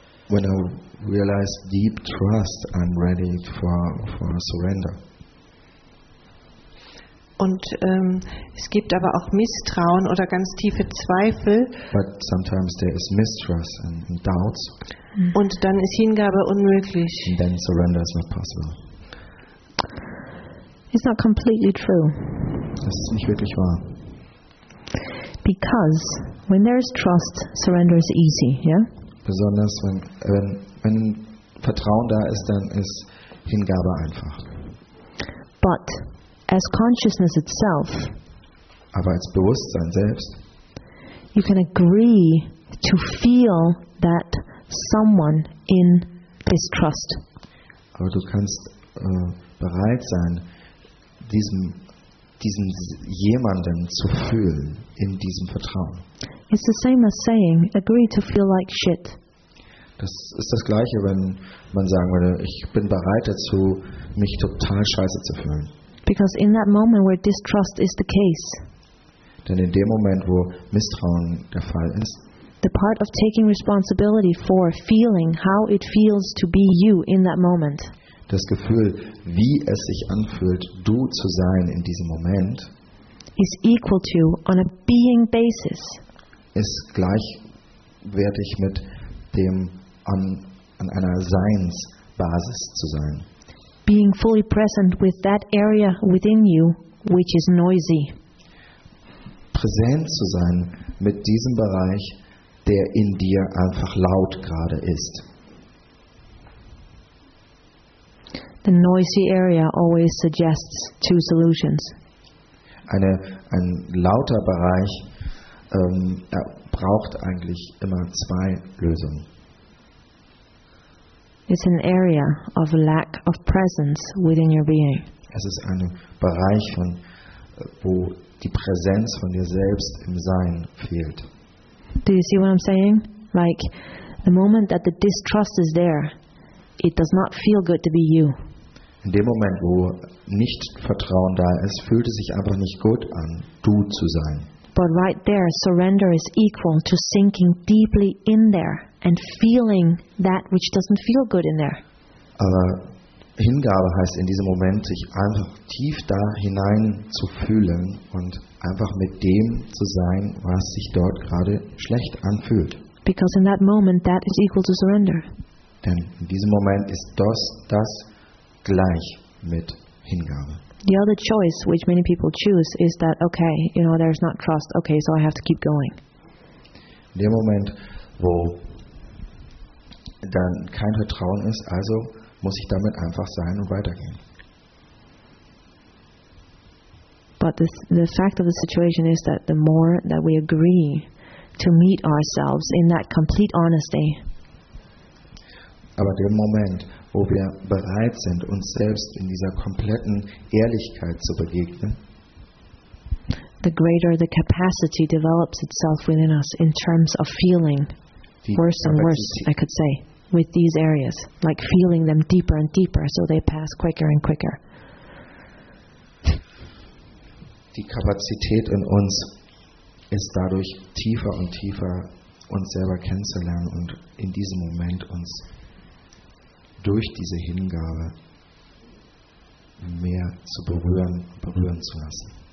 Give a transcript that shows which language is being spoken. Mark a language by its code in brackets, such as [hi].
[en] When I realize deep trust, I'm ready for surrender. [de] Und es gibt aber auch Misstrauen oder ganz tiefe Zweifel. [en] But sometimes there is mistrust and doubts. [de] Und dann ist Hingabe unmöglich. [en] And then surrender is not possible. It's not completely true. [de] Das ist nicht wirklich wahr. [en] Because when there is trust, surrender is easy, yeah? [de] Besonders wenn Vertrauen da ist, dann ist Hingabe einfach. [en] But as consciousness itself, [de] aber als Bewusstsein selbst, [en] you can agree to feel that someone in distrust. [de] Aber du kannst bereit sein, diesen jemanden zu fühlen in diesem Vertrauen. [en] It's the same as saying, agree to feel like shit. [de] Das ist das Gleiche, wenn man sagen würde, ich bin bereit dazu, mich total scheiße zu fühlen. [en] Because in that moment where distrust is the case, [de] denn in dem Moment, wo Misstrauen der Fall ist, [en] the part of taking responsibility for feeling how it feels to be you in that moment, [de] das Gefühl, wie es sich anfühlt, du zu sein in diesem Moment, [en] is equal to on a being basis, [de] ist gleichwertig mit dem an einer Seinsbasis zu sein. [en] Being fully present with that area within you which is noisy. [de] Präsent zu sein mit diesem Bereich, der in dir einfach laut gerade ist. [en] The noisy area always suggests two solutions. [de] Ein lauter Bereich braucht eigentlich immer zwei Lösungen. [en] It's an area of lack of presence within your being. [de] Es ist ein Bereich wo die Präsenz von dir selbst im Sein fehlt. [en] Do you see what I'm saying? Like, the moment that the distrust is there, it does not feel good to be you. [de] In dem Moment, wo nicht Vertrauen da ist, fühlt es sich einfach nicht gut an, du zu sein. [en] But right there, surrender is equal to sinking deeply in there and feeling that which doesn't feel good in there. [de] Aber Hingabe heißt in diesem Moment, sich einfach tief da hinein zu fühlen und einfach mit dem zu sein, was sich dort gerade schlecht anfühlt. [en] Because in that moment, that is equal to surrender. [de] Denn in diesem Moment ist das gleich mit Hingabe. [en] The other choice which many people choose is that, okay, you know, there's not trust, okay, so I have to keep going. [de] In dem Moment, wo dann kein Vertrauen ist, also muss ich damit einfach sein und weitergehen. [en] But the fact of the situation is that the more that we agree to meet ourselves in that complete honesty. [de] Aber der Moment, wo wir bereit sind, uns selbst in dieser kompletten Ehrlichkeit zu begegnen, [en] the greater the capacity develops itself within us in terms of feeling worse and worse, I could say, with these areas, like feeling them deeper and deeper, so they pass quicker and quicker. [de] Die Kapazität in uns ist dadurch tiefer und tiefer uns selber kennenzulernen und in diesem Moment uns durch diese Hingabe mehr zu berühren zu lassen.